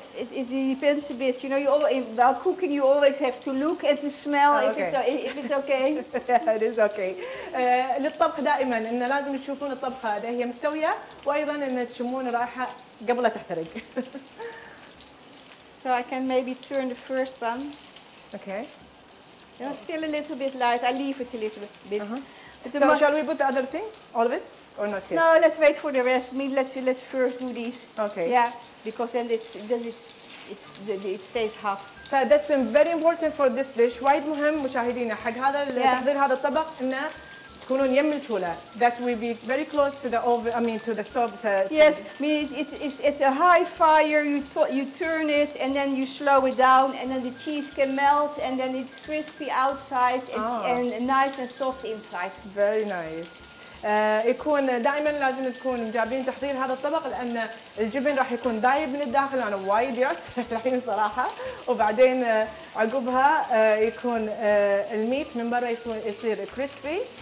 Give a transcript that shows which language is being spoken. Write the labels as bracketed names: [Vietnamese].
[English] Yes, it depends a bit. You know, you always, while cooking, you always have to look and to smell if it's okay. It is okay. [Arabic] للطبخ دائما ان لازم تشوفون الطبخه اذا هي مستويه وايضا ان تشمون رائحه قبل لا تحترق. [English] So I can maybe turn the first bun. Okay. It's still a little bit light. I leave it a little bit. Uh-huh. So shall we put the other thing, all of it, or not yet? No, let's wait for the rest. I mean, let's first do this. Okay. Yeah, because then it stays hot. That's very important for this dish. Why is it important, [Arabic] حق هذا لتحضير هذا الطبق إنه تكونون يم الفولة. [English] That will be very close to the oven. I mean, to the stove. Yes, I mean it's a high fire. You turn it and then you slow it down and then the cheese can melt and then it's crispy outside and nice and soft inside. Very nice. [Arabic] يكون دائما لازم تكون جابين تحضير هذا الطبق لأن الجبن راح يكون دايب من الداخل أنا وايد يعت الحين صراحة وبعدين عقبها يكون الميت من برا يصير كريسبي.